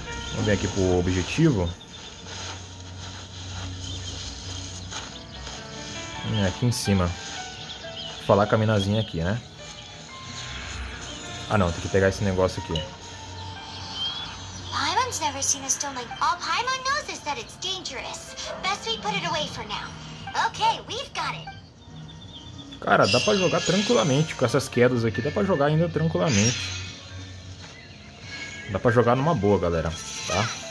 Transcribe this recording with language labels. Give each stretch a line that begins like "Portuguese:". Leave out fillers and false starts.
Portuguese: Vamos vir aqui pro objetivo. Aqui em cima. Vou falar com a minazinha aqui, né? Ah não, tem que pegar esse negócio aqui.
English: Paimon's never seen a stone like all Paimon knows is that it's dangerous. Best we put it away for now. Ok, we've got it.
Portuguese: Cara, dá pra jogar tranquilamente com essas quedas aqui, dá pra jogar ainda tranquilamente. Dá pra jogar numa boa, galera, tá?